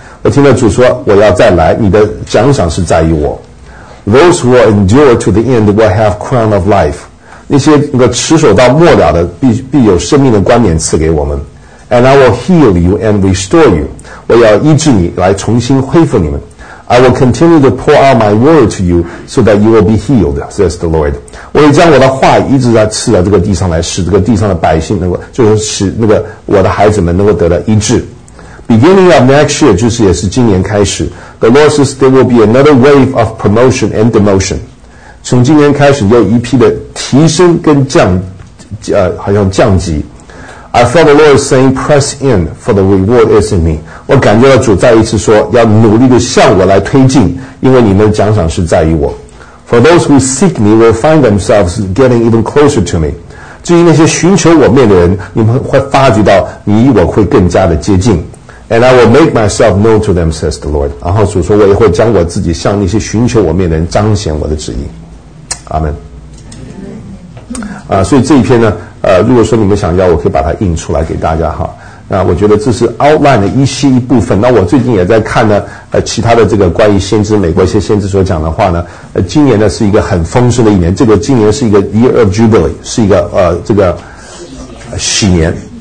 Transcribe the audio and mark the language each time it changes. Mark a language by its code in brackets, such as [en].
[zh] 我听到主说，我要再来，你的奖赏是在于我。 [en] Those who will endure to the end will have crown of life. [zh] 那些那个持守到末了的，必有生命的冠冕赐给我们。 [en] And I will heal you and restore you. [zh] 我要医治你，来重新恢复你们。 [en] I will continue to pour out my word to you so that you will be healed, says the Lord. [zh] 我会将我的话一直在赐在这个地上来，使这个地上的百姓能够，就是使那个我的孩子们能够得到医治。 [en] Beginning of next year, [zh] 就是也是今年开始， [en] the Lord says there will be another wave of promotion and demotion. [zh] 从今年开始又一批的提升跟降，好像降级。 [en] I felt the Lord saying, "Press in, for the reward is in me." [zh] 我感觉到主再一次说，要努力的向我来推进，因为你们的奖赏是在于我。 [en] For those who seek me will find themselves getting even closer to me. [zh] 至于那些寻求我面的人，你们会发觉到你与我会更加的接近。 [en] And I will make myself known to them, says the Lord. [zh] 然后主说，我也会将我自己向那些寻求我面的人彰显我的旨意。阿门。所以这一篇呢。如果说你们想要，我可以把它印出来给大家哈。那我觉得这是 outline 的一些一部分。那我最近也在看呢，其他的这个关于先知，美国一些先知所讲的话呢，今年呢是一个很丰盛的一年。这个今年是一个 [en] year of jubilee， [zh] 是一个这个喜年。